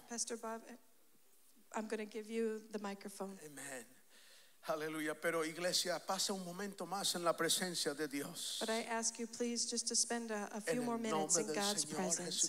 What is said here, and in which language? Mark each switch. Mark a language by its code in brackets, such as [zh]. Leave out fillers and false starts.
[en] Pastor Bobby, I'm going to give you the microphone. Amen. Hallelujah. [es] Pero iglesia, pasa un momento más en la presencia de Dios. [en] But I ask you, please, just to spend a few more minutes in God's presence.